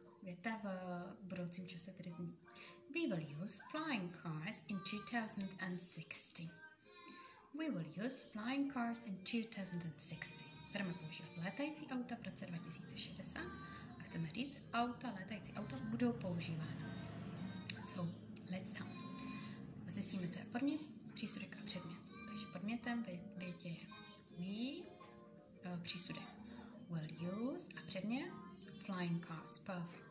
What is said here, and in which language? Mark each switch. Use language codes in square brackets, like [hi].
[cs] Věta v budoucím čase tedy zní. [en] We will use flying cars in 2060. We will use flying cars in 2060. [cs] Budeme používat létající auta v roce 2060. Chceme říct, auta, létající auta budou používána. [en] So, let's start. [cs] Zjistíme, co je podmět, přísudek a předmět. Takže podmětem větě je we, přísudek, [en] will use [cs] a předmět, [en] flying cars, [cs] perfect.